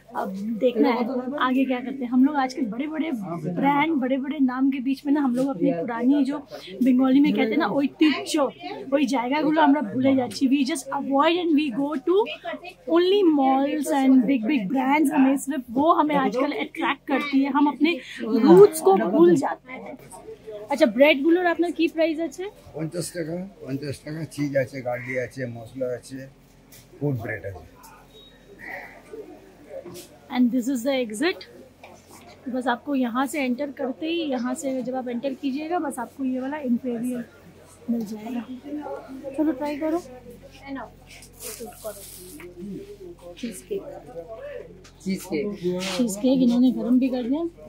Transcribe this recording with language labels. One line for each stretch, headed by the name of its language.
Hindi: अब देखना है आगे क्या करते हैं हम लोग। आजकल बड़े बड़े ब्रांड, बड़े बड़े नाम के बीच में ना हम लोग अपनी पुरानी जो बंगाली में कहते हैं ना ऐतिह्य,
Bangla: वही जायगागुलो हमरा
Hindi: भूले जाते हैं।
English: We just avoid and we go to only malls and big big brands.
Hindi: हमें सिर्फ वो हमें आजकल अट्रैक्ट करती है, हम अपने रूट्स को भूल जाते हैं।
Bangla: আচ্ছা ব্রেড গুলোর আপনার কি প্রাইস আছে? 50 টাকা। 50 টাকা চিজ আছে, গার্লি আছে, মশলা আছে, গুড ব্রেড আছে।
English: And this is the exit.
Hindi: बस आपको यहाँ से एंटर करते ही, यहाँ से जब आप एंटर कीजिएगा बस आपको ये वाला इंपीरियल मिल जाएगा। चलो ट्राई करो। चीज़ केक इन्होंने गर्म भी कर दिया।